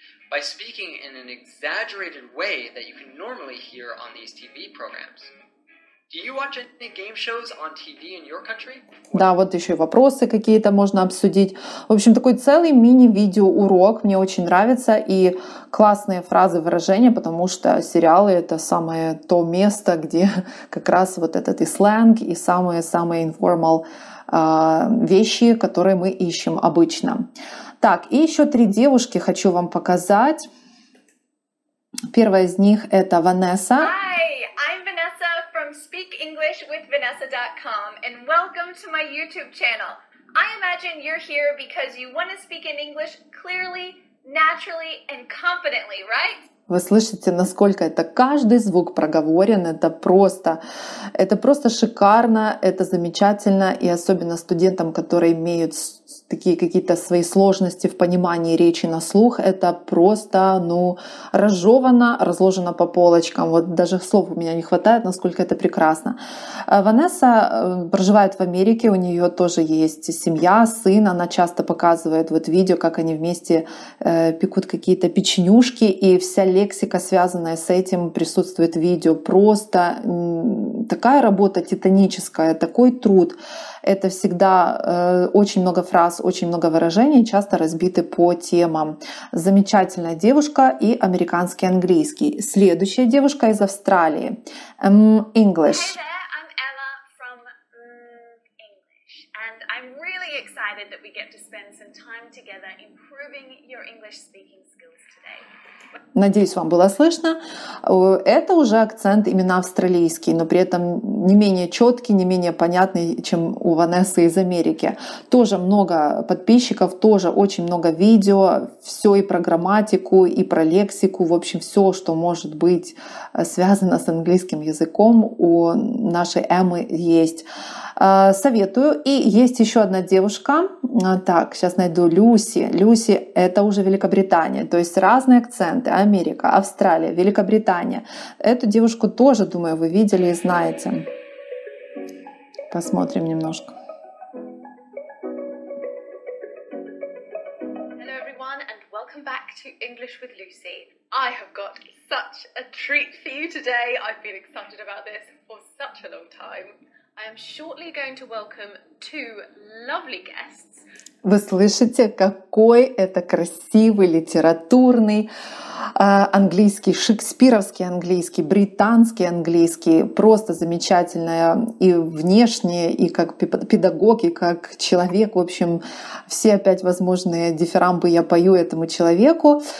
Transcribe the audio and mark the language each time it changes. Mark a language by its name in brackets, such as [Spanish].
[English] By speaking in an exaggerated way that you can normally hear on these TV programs. Do you watch any game shows on TV in your country? [Russian] Да, вот еще и вопросы какие-то можно обсудить. В общем, такой целый мини-видеоурок. Мне очень нравится. И классные фразы, выражения, потому что сериалы — это самое то место, где как раз вот этот и сленг, и самые-самые informal вещи, которые мы ищем обычно. Так, и еще три девушки хочу вам показать. Первая из них это Ванесса. [English] Hi, I'm Vanessa from speakenglishwithvanessa.com and welcome to my YouTube channel. I imagine you're here because you want to speak in English clearly, naturally and confidently, right? [Russian] Вы слышите, насколько это каждый звук проговорен, это просто шикарно, это замечательно, и особенно студентам, которые имеют такие какие-то свои сложности в понимании речи на слух, это просто, ну, разжевано, разложено по полочкам. Вот даже слов у меня не хватает, насколько это прекрасно. Ванесса проживает в Америке, у нее тоже есть семья, сын, она часто показывает вот видео, как они вместе пекут какие-то печенюшки, и вся лексика, связанная с этим, присутствует в видео. Просто такая работа титаническая, такой труд. Это всегда очень много фраз, очень много выражений, часто разбиты по темам. Замечательная девушка и американский английский. Следующая девушка из Австралии. [English] English. Hi there, I'm Ella from English. And I'm really excited that we get to spend some time together improving your English speaking skills today. [Russian] Надеюсь, вам было слышно. Это уже акцент именно австралийский, но при этом не менее четкий, не менее понятный, чем у Ванессы из Америки. Тоже много подписчиков, тоже очень много видео, все и про грамматику, и про лексику, в общем, все, что может быть связано с английским языком, у нашей Эммы есть. Советую. И есть еще одна девушка. Так, сейчас найду. Люси. Люси — это уже Великобритания. То есть разные акценты. Америка, Австралия, Великобритания. Эту девушку тоже, думаю, вы видели и знаете. Посмотрим немножко. [English] Hello everyone and welcome back to English with Lucy. I have got such a treat for you today. I've been excited about this for such a long time. I am shortly going to welcome two lovely guests. [Russian] Вы слышите, какой это красивый литературный английский, шекспировский английский, британский английский, просто замечательная и внешне, и как педагог, и как человек. В общем, все опять возможные дифирамбы я пою этому человеку.